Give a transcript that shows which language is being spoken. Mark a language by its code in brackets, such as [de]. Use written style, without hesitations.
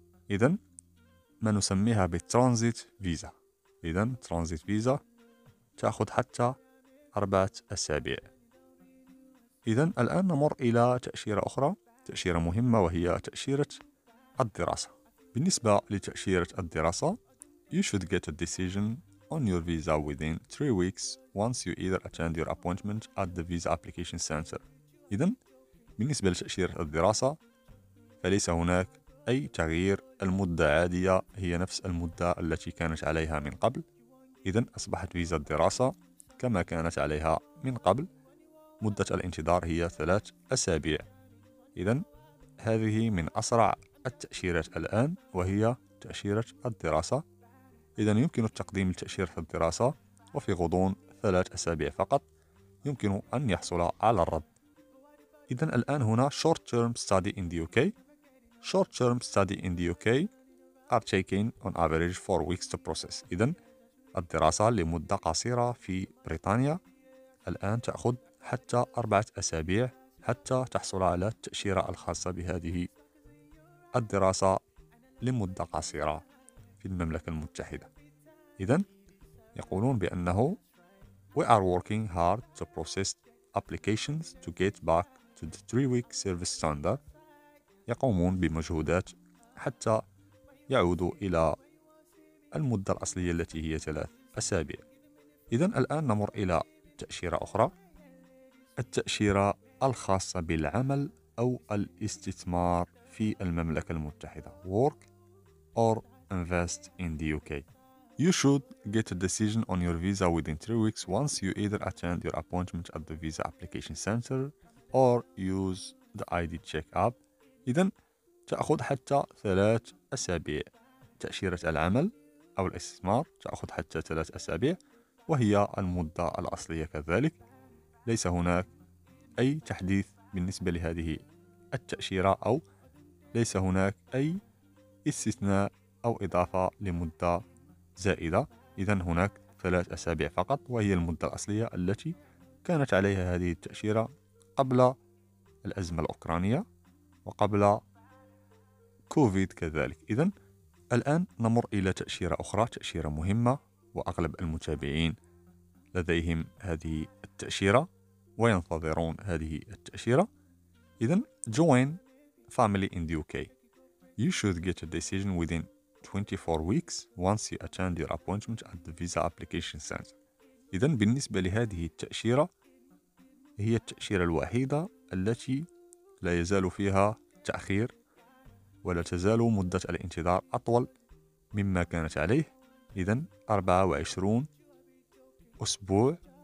[ar] إذن ما نسميها بالترانزيت فيزا. إذن ترانزيت فيزا تأخذ حتى 4 أسابيع. إذن الآن نمر إلى تأشيرة أخرى، تأشيرة مهمة وهي تأشيرة الدراسة. بالنسبة لتأشيرة الدراسة [en] you should get a decision on your visa within 3 weeks once you either attend your appointment at the visa application center. [ar] إذن بالنسبة لتأشيرة الدراسة فليس هناك أي تغيير، المدة عادية هي نفس المدة التي كانت عليها من قبل. إذن أصبحت فيزا الدراسة كما كانت عليها من قبل، مدة الانتظار هي 3 أسابيع. إذن هذه من أسرع التأشيرات الآن وهي تأشيرة الدراسة. إذن يمكن التقديم لتأشيرة الدراسة وفي غضون 3 أسابيع فقط يمكن أن يحصل على الرد. إذن الآن هنا [en] short term study in the UK. Short term study in the UK are taking on average 4 weeks to process. [ar] إذن الدراسة لمدة قصيرة في بريطانيا الآن تأخذ حتى 4 أسابيع حتى تحصل على التأشيرة الخاصة بهذه الدراسة لمدة قصيرة في المملكة المتحدة. إذن يقولون بأنه [en] we are working hard to process applications to get back to the 3-week service standard. [ar] يقومون بمجهودات حتى يعودوا إلى المدة الأصلية التي هي 3 أسابيع. إذن الآن نمر إلى تأشيرة أخرى، التأشيرة الخاصة بالعمل أو الاستثمار في المملكة المتحدة [en] work or invest in the UK. You should get a decision on your visa within 3 weeks once you either attend your appointment at the visa application center or use the ID check app. [ar] إذن تأخذ حتى 3 أسابيع تأشيرة العمل أو الاستثمار تأخذ حتى 3 أسابيع وهي المدة الأصلية كذلك، ليس هناك أي تحديث بالنسبة لهذه التأشيرة أو ليس هناك أي استثناء أو إضافة لمدة زائدة. إذن هناك 3 أسابيع فقط وهي المدة الأصلية التي كانت عليها هذه التأشيرة قبل الأزمة الأوكرانية وقبل كوفيد كذلك. إذن الآن نمر إلى تأشيرة أخرى، تأشيرة مهمة وأغلب المتابعين لديهم هذه التأشيرة وينتظرون هذه التأشيرة. [en] إذن join family in the UK. You should get a decision within 24 weeks once you attend your appointment at the visa application center. [ar] إذن بالنسبة لهذه التأشيرة هي التأشيرة الوحيدة التي لا يزال فيها تأخير ولا تزال مدة الانتظار أطول مما كانت عليه، إذن 24 أسبوع.